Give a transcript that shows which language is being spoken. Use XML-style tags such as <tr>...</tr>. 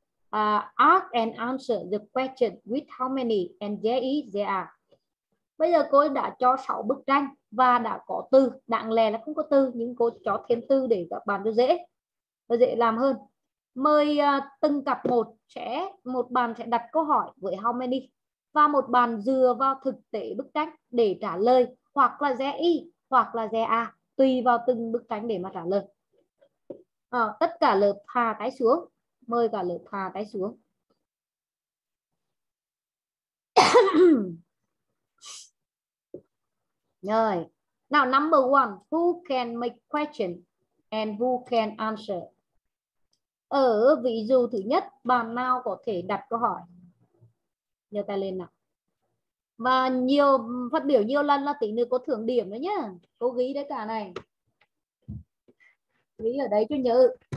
<en>Ask and answer the question with how many and there is there are.</en> <vi>Bây giờ cô đã cho 6 bức tranh và đã có từ. Đáng lẽ là không có từ nhưng cô cho thêm từ để các bạn cho dễ. Cho dễ làm hơn. Mời từng cặp một sẽ một bạn sẽ đặt câu hỏi với how many và một bạn dựa vào thực tế bức tranh để trả lời hoặc là there is hoặc là there are. Tùy vào từng bức tranh để mà trả lời. Tất cả lớp hạ tay xuống. Mời cả lớp hạ tay xuống. Rồi.</vi> <en>Now number one. Who can make question and who can answer?</en> <vi>Ở ví dụ thứ nhất, bạn nào có thể đặt câu hỏi? Giơ tay lên nào. Và nhiều phát biểu nhiều lần là tỷ lệ có thưởng điểm đấy nhá. Cô ghi đấy cả này. Ghi ở đấy cho nhớ.</vi>